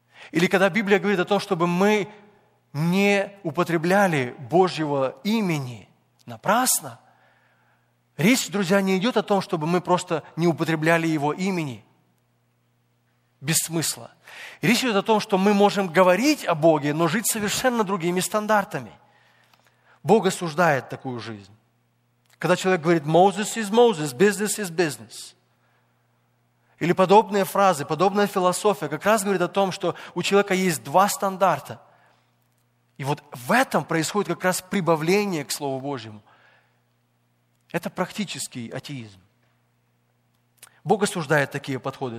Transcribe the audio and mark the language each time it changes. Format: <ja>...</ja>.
<ru>Или когда Библия говорит о том, чтобы мы не употребляли Божьего имени напрасно, речь, друзья, не идет о том, чтобы мы просто не употребляли Его имени без смысла. Речь идет о том, что мы можем говорить о Боге, но жить совершенно другими стандартами. Бог осуждает такую жизнь. Когда человек говорит</ru> <en>«Moses is Moses, business is business».</en> <ru>Или подобные фразы, подобная философия как раз говорит о том, что у человека есть два стандарта. И вот в этом происходит как раз прибавление к Слову Божьему. Это практический атеизм. Бог осуждает такие подходы.</ru>